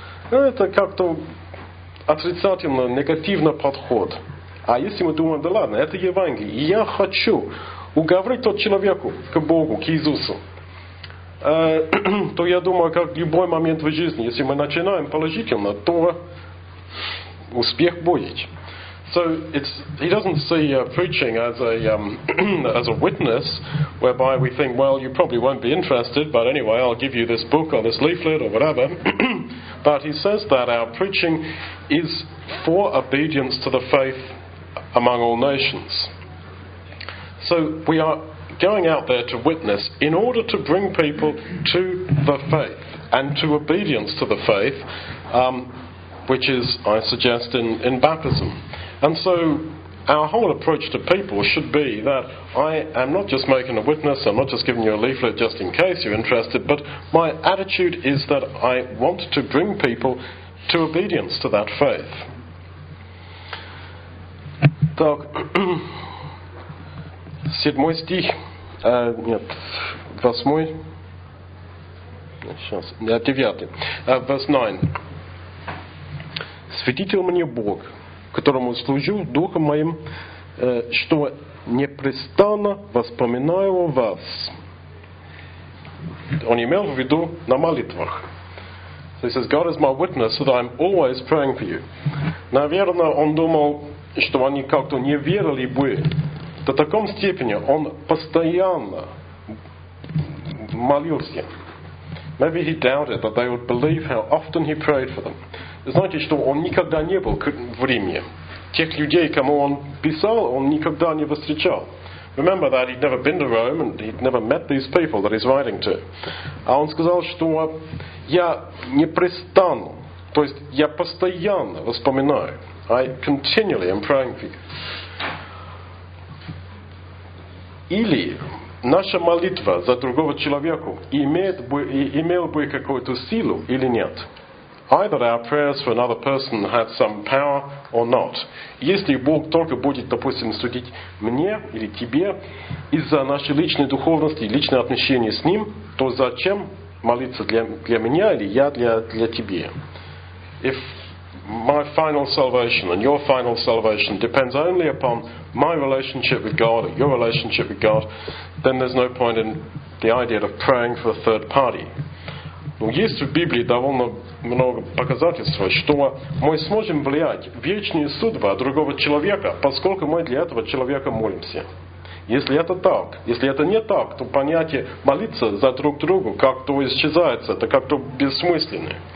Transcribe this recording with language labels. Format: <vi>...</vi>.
<ru>Это как-то отрицательно, негативный подход. А если мы думаем, да ладно, это Евангелие, и я хочу уговорить тот человеку к Богу, к Иисусу, то я думаю, как любой момент в жизни, если мы начинаем положительно, то успех будет.</ru> <en>So he doesn't see preaching as a witness, whereby we think, well, you probably won't be interested, but anyway, I'll give you this book or this leaflet or whatever. But he says that our preaching is for obedience to the faith among all nations. So we are going out there to witness in order to bring people to the faith and to obedience to the faith, which is, I suggest, in baptism. And so our whole approach to people should be that I am not just making a witness, I'm not just giving you a leaflet just in case you're interested, but my attitude is that I want to bring people to obedience to that faith.</en> <ru>Так, седьмой стих, нет, восьмой, сейчас, девятый,</ru> <en>verse 9.</en> <ru>Свидетель мне Бог, которому служу духом моим, что непрестанно воспоминаю о вас. Он имел в виду на молитвах.</ru> <en>So he says, God is my witness that I'm always praying for you.</en> <ru>Наверное, он думал, что они как-то не верили бы. До такой степени он постоянно молился.</ru> <en>Maybe he doubted that they would believe how often he prayed for them.</en> <ru>Знаете, что он никогда не был в Риме. Тех людей, кому он писал, он никогда не встречал.</ru> <en>Remember that he'd never been to Rome and he'd never met these people that he's writing to.</en> <ru>А он сказал, что я непрестанно, то есть я постоянно воспоминаю.</ru> <en>I continually am praying for you.</en> <ru>Или наша молитва за другого человека имела бы какую-то силу или нет?</ru> <en>Either our prayers for another person had some power or not.</en> <ru>Если Бог только будет, допустим, судить мне или тебе из-за нашей личной духовности, личного отношения с Ним, то зачем молиться для меня или я для тебя?</ru> <en>If my final salvation and your final salvation depends only upon my relationship with God or your relationship with God, then there's no point in the idea of praying for a third party.</en> <ru>Но есть в Библии довольно много показательств, что мы сможем влиять в вечные судьбы другого человека, поскольку мы для этого человека молимся. Если это так, если это не так, то понятие молиться за друг друга как-то исчезает, это как-то бессмысленно.</ru>